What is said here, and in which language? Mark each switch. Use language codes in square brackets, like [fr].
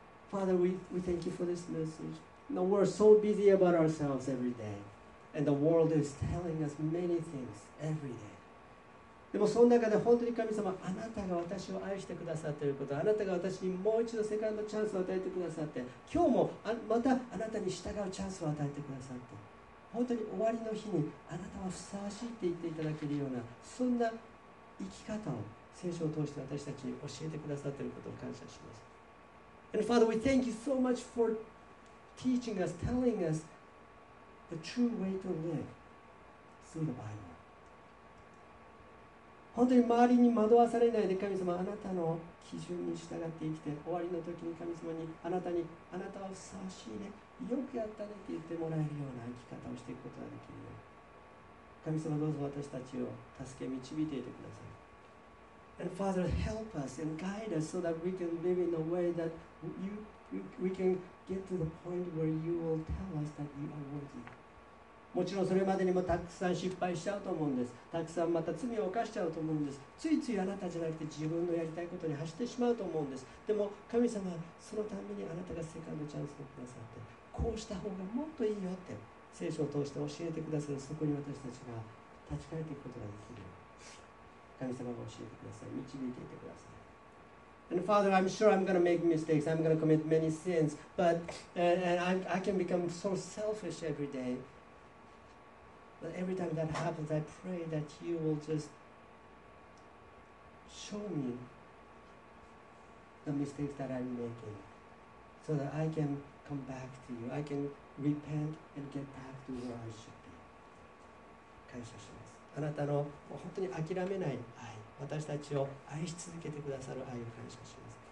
[en] Father, we thank you for this message. Now we're so busy about ourselves every day, and the world is telling us many things every day. [ja] でもその中で本当に神様、あなたが私を愛してくださっていること、あなたが私にもう一度セカンドチャンスを与えてくださって、今日もまたあなたに従うチャンスを与えてくださって、本当に終わりの日にあなたはふさわしいって言っていただけるような、そんな生き方を聖書を通して私たちに教えてくださっていることを感謝します。 [en] And Father, we thank you so much for teaching us, telling us the true way to live through the Bible. [ja] 本当に周りに惑わされないで、神様、あなたの基準に従って生きて、終わりの時に神様にあなたはふさわしいね、よくやったねって言ってもらえるような生き方をしていくことができるよ。神様、どうぞ私たちを助け導いていてください。 [en] And Father, help us and guide us so that we can live in a way that we can get to the point where you will tell us that you are worthy. [ja] もちろんそれまでにもたくさん失敗しちゃうと思うんです。たくさんまた罪を犯しちゃうと思うんです。ついついあなたじゃなくて自分のやりたいことに走ってしまうと思うんです。でも神様、そのためにあなたがセカンドチャンスをくださって、こうした方がもっといいよって聖書を通して教えてくださる。そこに私たちが立ち返っていくことができる。神様が教えてください。導いていてください。 [en] And Father, I'm sure I'm going to make mistakes. I'm going to commit many sins. But and I can become so selfish every day. But every time that happens, I pray that you will just show me the mistakes that I'm making so that I can come back to you. I can repent and get back to where I should be. [ja] 感謝します。あなたの本当に諦めない愛、私たちを愛し続けてくださる愛を感謝します。